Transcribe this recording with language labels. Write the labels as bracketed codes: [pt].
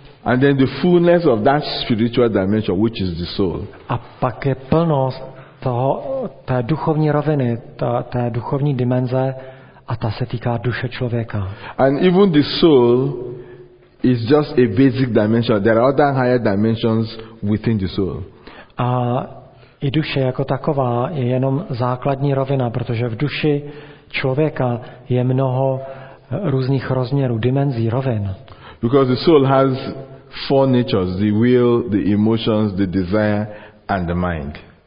[en] And then the fullness of that spiritual dimension, which is the soul. [cs] A pak je plnost toho, té duchovní roviny, té duchovní dimenze, a ta se týká duše člověka. [en] And even the soul is just a basic dimension. There are other higher dimensions within the soul. [cs] A i duše jako taková je jenom základní rovina, protože v duši člověka je mnoho různých rozměrů, dimenzí, rovin. [en] Because the soul has four natures: the will, the emotions, the desire, and the mind.